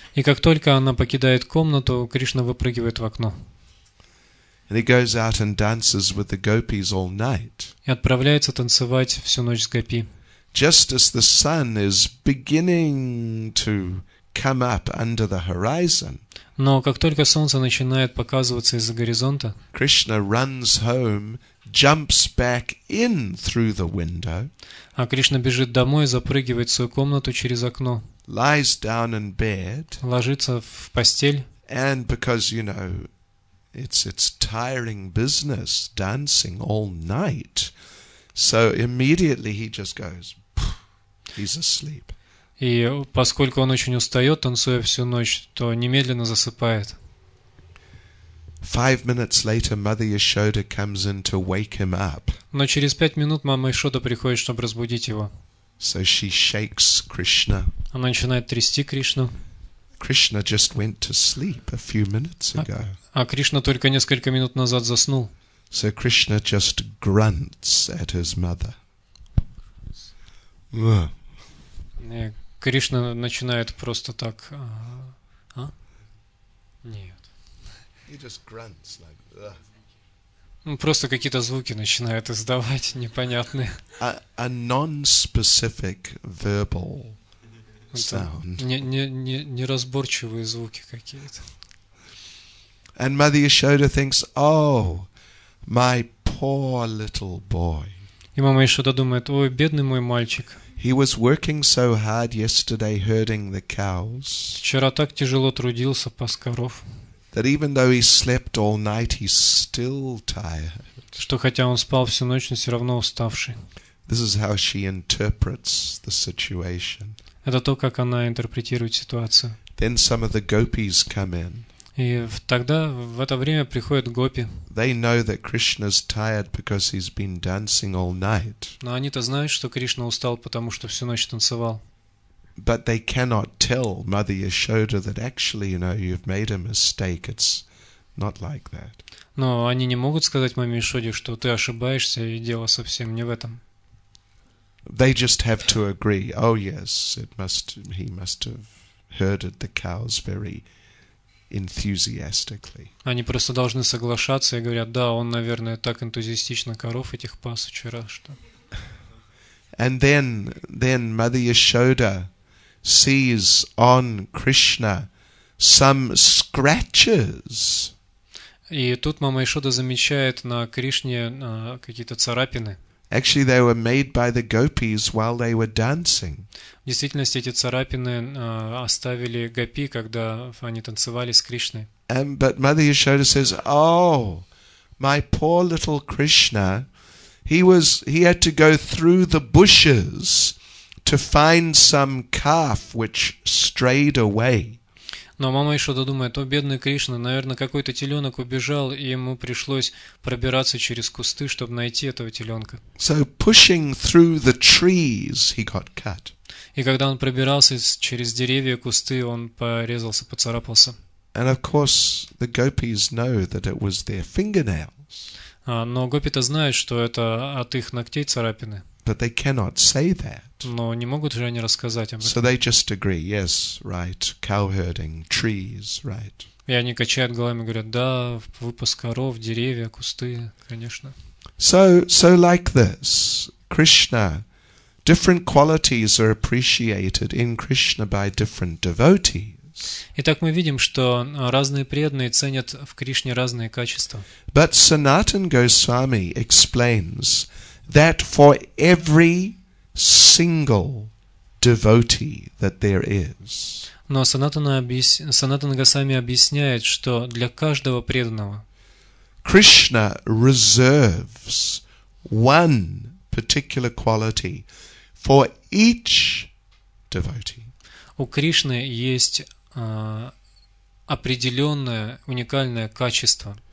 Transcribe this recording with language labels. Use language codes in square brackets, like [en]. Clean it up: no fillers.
[ru] И как только она покидает комнату, Кришна выпрыгивает в окно. [en] And he goes out and dances with the gopis all night. [ru] И отправляется танцевать всю ночь с гопи. [en] Just as the sun is beginning to come up under the horizon. [ru] Но как только солнце начинает показываться из-за горизонта, [en] Krishna runs home, jumps back in through the window. [ru] А Кришна бежит домой, запрыгивает в свою комнату через окно. [en] Lies down in bed. [ru] Ложится в постель. [en] And because, you know, it's tiring business dancing all night. So immediately he just goes, he's asleep. [ru] И поскольку он очень устает, танцуя всю ночь, то немедленно засыпает. [en] 5 minutes later, Mother Yashoda comes in to wake him up. [ru] Но через 5 минут мама Ишода приходит, чтобы разбудить его. [en] So she shakes Krishna. [ru] Она начинает трясти Кришну. [en] Krishna just went to sleep a few minutes ago. [ru] А Кришна только несколько минут назад заснул. [en] So Krishna just grunts at his mother. [ru] Кришна начинает просто так. А? Нет. [en] He just grunts like. [ru] Просто какие-то звуки начинает издавать непонятные. [en] A non-specific verbal sound. [ru] Неразборчивые звуки какие-то. [en] And Mother Yashoda thinks, "Oh, my poor little boy." [ru] И мама Ишода думает: "Ой, бедный мой мальчик." [en] He was working so hard yesterday herding the cows. [ru] Вчера так тяжело трудился пас коров. [en] That even though he slept all night, he's still tired. [ru] Что хотя он спал всю ночь, но все равно уставший. [en] This is how she interprets the situation. [ru] Это то, как она интерпретирует ситуацию. [en] Then some of the gopis come in. [ru] И тогда в это время приходят гопи. [en] They know that Krishna's tired because he's been dancing all night. [ru] Но они-то знают, что Кришна устал, потому что всю ночь танцевал. [en] But they cannot tell Mother Yashoda that actually, you know, you've made a mistake. It's not like that. [ru] Но они не могут сказать маме Ишоде, что ты ошибаешься, и дело совсем не в этом. [en] They just have to agree. Oh yes, he must have herded the cows very enthusiastically. [ru] Они просто должны соглашаться и говорят: "Да, он, наверное, так энтузиастично коров этих пас вчера, что." [en] And then Mother Yashoda sees on Krishna some scratches. [ru] И тут мама Ишода замечает на Кришне какие-то царапины. [en] Actually, they were made by the gopis while they were dancing. [ru] В действительности эти царапины оставили гопи, когда они танцевали с Кришной. [en] But Mother Yashoda says, "Oh, my poor little Krishna, he had to go through the bushes to find some calf which strayed away." [ru] Но мама Ишода думает: "О, бедный Кришна, наверное, какой-то теленок убежал, и ему пришлось пробираться через кусты, чтобы найти этого теленка." [en] So pushing through the trees, he got cut. [ru] И когда он пробирался через деревья, кусты, он порезался, поцарапался. [en] And of course, the gopis know that it was their fingernails. [ru] Но гопи-то знают, что это от их ногтей царапины. [en] But they cannot say that. [ru] Но не могут же они рассказать об этом. [en] So they just agree, yes, right, cow herding, trees, right. [ru] И они качают головами и говорят: "Да, выпас коров, деревья, кусты, конечно." [en] So like this, Krishna, different qualities are appreciated in Krishna by different devotees. [ru] Итак, мы видим, что разные преданные ценят в Кришне разные качества. [en] But Sanatan Goswami explains that for every single devotee that there is. [ru] Но Санатана Госвами объясняет, что для каждого преданного [en] Krishna reserves one particular quality for each devotee. [ru] У Кришны есть определенное уникальное качество